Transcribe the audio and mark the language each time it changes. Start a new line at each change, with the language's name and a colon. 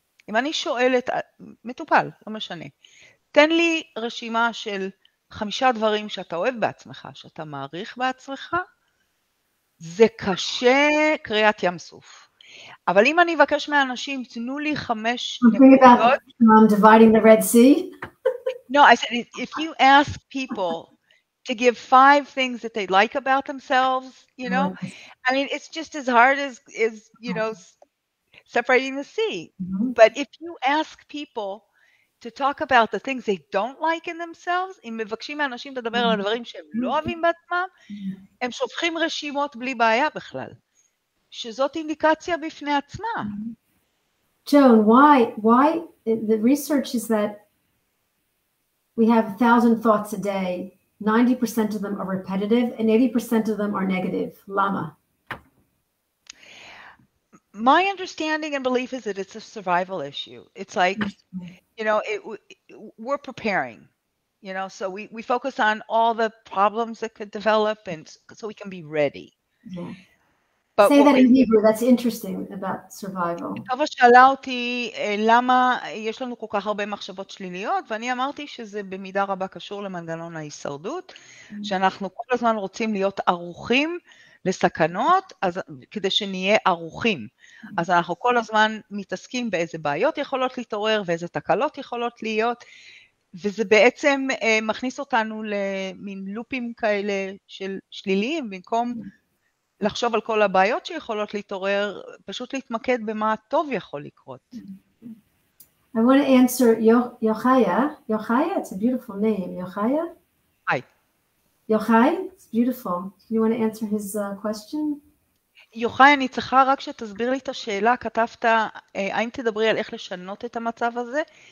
Hebrew: אם אני שואלת מטופל, לא משנה, תן לי רשימה של 5 דברים שאתה אוהב בעצמך, שאתה מעריך בעצמך, זה קשה קריאת ים סוף. אבל אם אני אבקש מהאנשים, תנו לי 5 נקודות.
English: I'm dividing the Red Sea. No, I said, if you ask people to give 5 things that they like about themselves, you know, I mean, it's just as hard as you know, separating the sea. But if you ask people to talk about the things they don't like in themselves,
Hebrew: אם מבקשים מהאנשים לדבר על הדברים שהם לא אוהבים בעצמם, הם שופכים רשימות בלי בעיה בכלל. שזאת אינדיקציה בפני עצמה.
English: Joan, why the research is that we have 1,000 thoughts a day, 90% of them are repetitive and 80% of them are negative.
Hebrew: Lama.
English: My understanding and belief is that it's a survival issue. It's like, you know, we're preparing, you know, so we focus on all the problems that could develop and so we can be ready. Yeah. But say that in Hebrew, that's interesting about survival.
Hebrew: טובה שאלה אותי למה יש לנו כל כך הרבה מחשבות שליליות, ואני אמרתי שזה במידה רבה קשור למנגנון ההישרדות, שאנחנו כל הזמן רוצים להיות ערוכים לסכנות, אז כדי שנהיה ערוכים. אז אנחנו כל הזמן מתעסקים באיזה בעיות יכולות להתעורר ואיזה תקלות יכולות להיות, וזה בעצם מכניס אותנו למין לופים כאלה של שליליים, במקום לחשוב על כל הבעיות שיכולות להתעורר, פשוט להתמקד במה הטוב יכול לקרות.
English: I want to answer Yochaya. Yochaya, it's a beautiful name. Yochaya? Hi. Yochai, it's beautiful. You want to answer his question?
Hebrew: יוחאי, אני צריכה רק שתסביר לי את השאלה. כתבת, האם תדברי על איך לשנות את המצב הזה?